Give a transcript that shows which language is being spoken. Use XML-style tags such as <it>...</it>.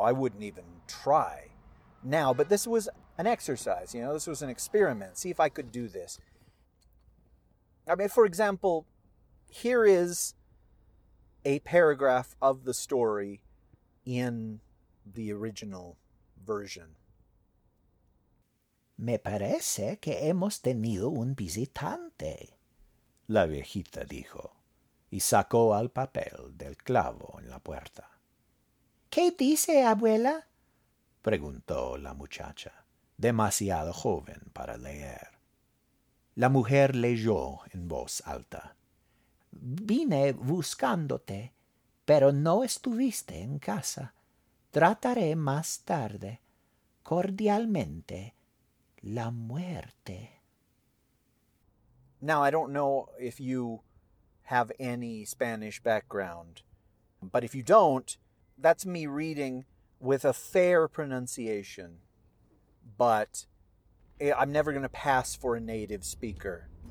<en>I wouldn't even try now. But this was an exercise, you know, this was an experiment. See if I could do this. I mean, for example, here is a paragraph of the story in the original version.</en> <es>Me parece que hemos tenido un visitante, la viejita dijo, y sacó al papel del clavo en la puerta. ¿Qué dice, abuela? Preguntó la muchacha, demasiado joven para leer. La mujer leyó en voz alta. Vine buscándote, pero no estuviste en casa. Trataré más tarde, cordialmente, la muerte.</es> <en>Now, I don't know if you have any Spanish background, but if you don't, that's me reading with a fair pronunciation, but I'm never going to pass for a native speaker.</en>